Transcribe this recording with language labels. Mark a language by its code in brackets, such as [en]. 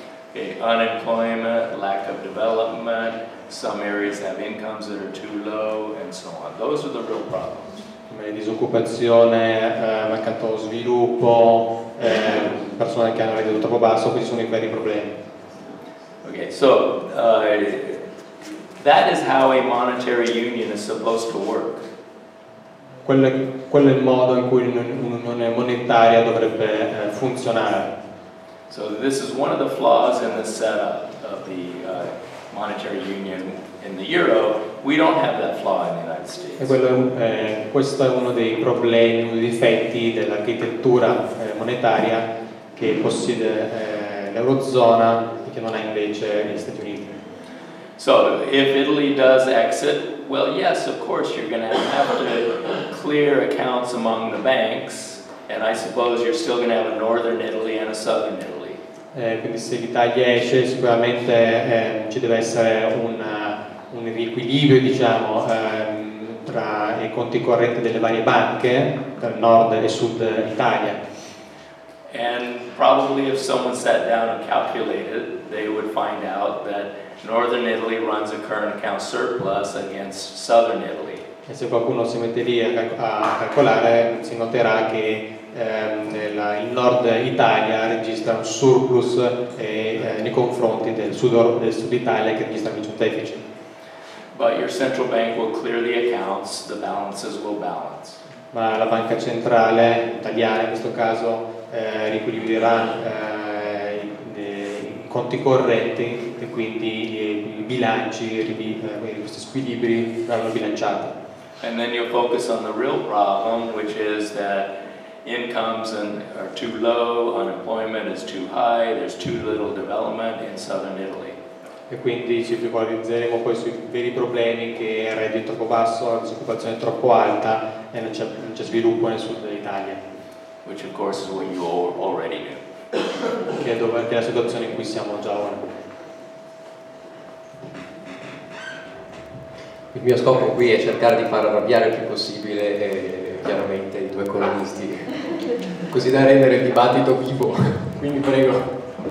[en] Okay, unemployment, lack of development, some areas have incomes that are too low, and so on. Those are the real problems. [it] Disoccupazione, mancato sviluppo, persone che hanno reddito troppo basso, questi sono i veri problemi. [en] Okay, so that is how a monetary union is supposed to work. [it] quello è il modo in cui un'unione monetaria dovrebbe funzionare. [en] So this is one of the flaws in the setup of the monetary union in the euro. We don't have that flaw in the United States. [it] E quello questo è uno dei problemi, uno dei difetti dell'architettura monetaria che possiede l'eurozona e che non ha invece gli Stati Uniti. [en] So if Italy does exit, well, yes, of course you're going to have to clear accounts among the banks, and I suppose you're still going to have a northern Italy and a southern Italy. [it] Quindi se l'Italia esce, sicuramente ci deve essere un riequilibrio, diciamo, tra i conti correnti delle varie banche del nord e sud Italia. [en] And probably if someone sat down and calculated, they would find out that northern Italy runs a current account surplus against southern Italy. [it] E se qualcuno si mette lì a calcolare, si noterà che il nord Italia registra un surplus nei confronti del sud Italia che registra un deficit. [en] But your central bank will clear the accounts, the balances will balance. [it] Ma la banca centrale italiana in questo caso riequilibrerà i conti correnti e quindi i bilanci, questi squilibri verranno bilanciati. [en] And then you'll focus on the real problem, which is that incomes are too low, unemployment is too high, there's too little development in southern Italy. [it] E quindi ci focalizzeremo poi sui veri problemi, che è il reddito troppo basso, la disoccupazione troppo alta e non c'è sviluppo nel sud dell'Italia. [en] Which of course is what you already knew. [it] Che è dove anche la situazione in cui siamo già ora. Il mio scopo qui è cercare di far arrabbiare il più possibile chiaramente i due economisti, così da rendere il dibattito vivo. Quindi prego.